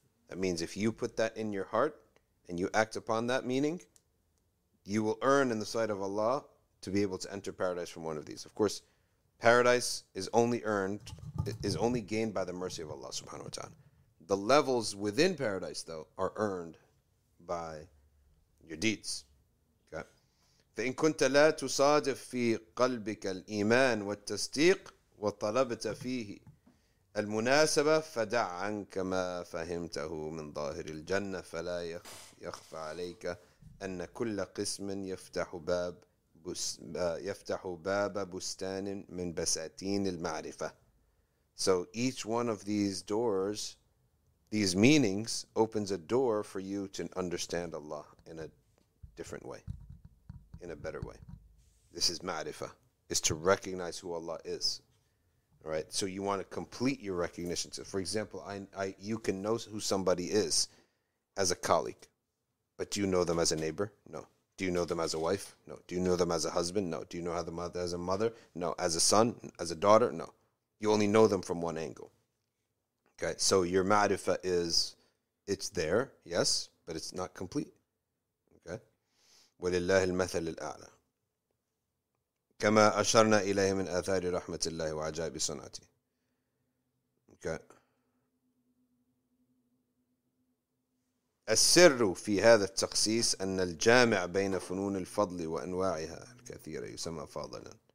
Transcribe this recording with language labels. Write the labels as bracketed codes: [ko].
[en] That means if you put that in your heart and you act upon that meaning, you will earn in the sight of Allah to be able to enter paradise from one of these. Of course, paradise is only earned, is only gained by the mercy of Allah subhanahu wa ta'ala. The levels within paradise, though, are earned by your deeds. Okay? [ar] فَإِن كُنْتَ لَا تُصَادِفْ فِي قَلْبِكَ الْإِيمَانِ وَالتَّسْتِيقِ وَطَلَبْتَ فِيهِ المناسبة فدع عنك ما فهمته من ظاهر الجنة فلا يخفى عليك أن كل قسم يفتح باب بستان من بساتين المعرفة. [en] So each one of these doors, these meanings, opens a door for you to understand Allah in a different way, in a better way. This is ma'rifa, is to recognize who Allah is. Right, so you want to complete your recognition. So, for example, I you can know who somebody is as a colleague, but do you know them as a neighbor? No. Do you know them as a wife? No. Do you know them as a husband? No. Do you know them as a mother? No. As a son? As a daughter? No. You only know them from one angle. Okay, so your ma'rifah it's there, yes, but it's not complete. Okay. [ar] وَلِلَّهِ الْمَثَلِ الْأَعْلَى كما أشرنا إليه من آثار رحمة الله وعجائب صنعته. Okay. السر في هذا التخصيص أن الجامع بين فنون الفضل وأنواعها الكثيرة يسمى فاضلا.